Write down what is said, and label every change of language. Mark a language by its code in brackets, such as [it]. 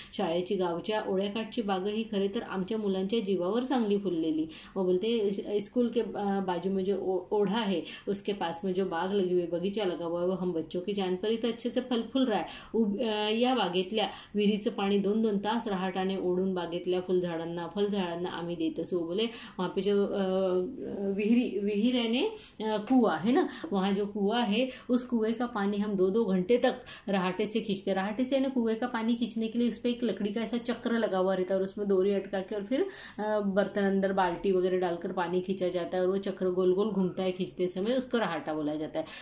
[mr] शाळेची गावच्या ओळ्याकाठची बाग ही खरे तर आमच्या मुलांच्या जीवावर चांगली फुललेली। [hi] वो बोलते स्कूल के बाजू में जो ओढ़ा है, उसके पास में जो बाग लगी हुई, बगीचा लगा हुआ है, वो हम बच्चों की जान पर ही तो अच्छे से फल फूल रहा है। [mr] या बागेतल्या विहिरीचं पाणी दोन दोन तास रहाटाने ओढून बागेतल्या फुलझाडांना फलझाडांना आम्ही देत असो। [hi] बोले वहां पे जो विहीर है ने कुआ है ना, वहां जो कुआ है, उस कुएं का पानी हम दो दो घंटे तक रहाटे से खींचते, रहाटे से ने कुएं का पानी खींचने के लिए उस पर एक लकड़ी का ऐसा चक्र लगा हुआ रहता है, और उसमें डोरी अटका के और फिर बर्तन अंदर बाल्टी वगैरह डालकर पानी खींचा जाता है, और वो चक्र गोल गोल घूमता है खींचते समय, उसको रहाटा बोला जाता है।